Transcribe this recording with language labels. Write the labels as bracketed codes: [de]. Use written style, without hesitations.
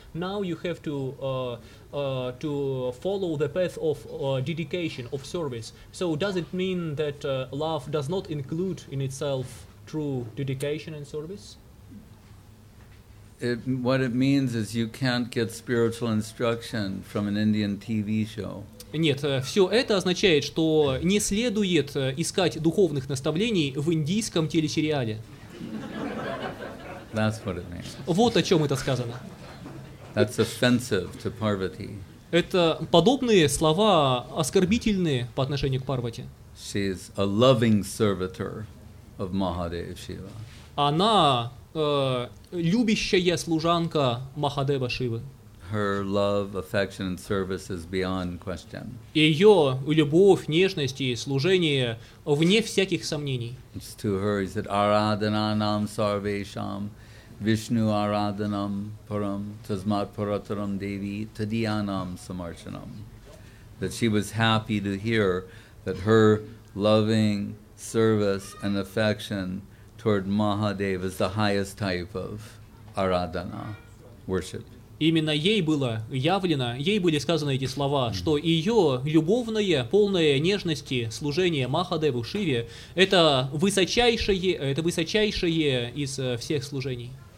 [en] Now you have to follow the path of dedication, of service." So does it mean that love does not include in itself true dedication and service? What it means is you can't get spiritual instruction from an Indian TV show. [ru] Нет, все это означает, что не следует искать духовных наставлений в индийском телесериале. [en] That's what it means. [ru] Вот о чем это сказано. [en] That's offensive to Parvati. [ru] Это подобные слова оскорбительные по отношению к Парвати. [en] She's a loving servitor of Mahadev Shiva. [ru] Она любящая служанка Махадева Шивы. [en] Her love, affection, and service is beyond question. [ru] Ее любовь, нежность и служение вне всяких сомнений. [en] It's to her, he said, [sa] Aradhana nam sarvesham, Vishnu aradhanam param, tasmat parataram devi, tadiyanam samarchanam. [en] That she was happy to hear that her loving service and affection toward Mahadev is the highest type of aradhana, worship. [ru] Именно ей было явлено, ей были сказаны эти слова, mm-hmm. что ее любовное, полное нежности служение Махадеву Шиве — это высочайшее из всех служений.